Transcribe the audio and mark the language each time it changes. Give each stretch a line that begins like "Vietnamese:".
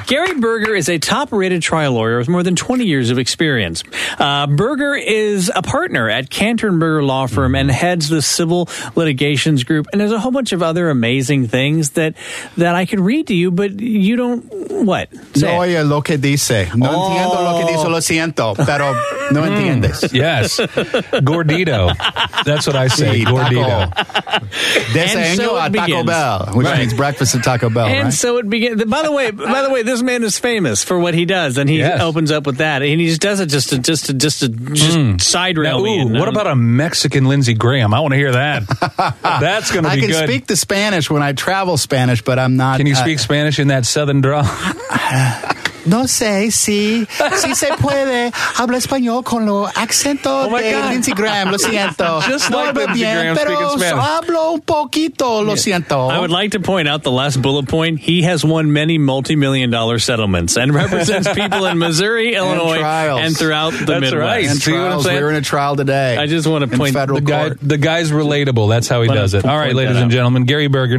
English: Gary Berger is a top-rated trial lawyer with more than 20 years of experience. Berger is a partner at Cantor & Berger Law Firm and heads the Civil Litigations Group, and there's a whole bunch of other amazing things. Things that I could read to you, but you don't. What? Say no,
Spanish: oye, lo que dice. No entiendo lo que dice, lo siento, pero no entiendes.
English: Yes. Gordito. That's what I say. Gordito.
Spanish: Desayuno a
English: Taco Bell, which means breakfast at Taco Bell. And right? So it begins. By the way, this man is famous for what he does, and he opens up with that, and he just does it just to side rail. Now, what about a Mexican Lindsey Graham? I want to hear that. That's going to be good. I can speak the Spanish when I travel Spanish, but I'm not. Can you speak Spanish in that southern drawl?
Spanish: No sé si, si se puede hablar español con lo acento de Lindsey Graham, lo siento.
English: Just no like Lindsey Graham speaking Spanish.
Spanish: Hablo un poquito, lo siento.
English: I would like to point out the last bullet point. He has won many multi-million dollar settlements and represents people in Missouri, Illinois, and throughout the That's Midwest. Right. And trials. See what I'm We're in a trial today. I just want to point out the guy's relatable. That's how he does it. All right, ladies and gentlemen, Gary Berger.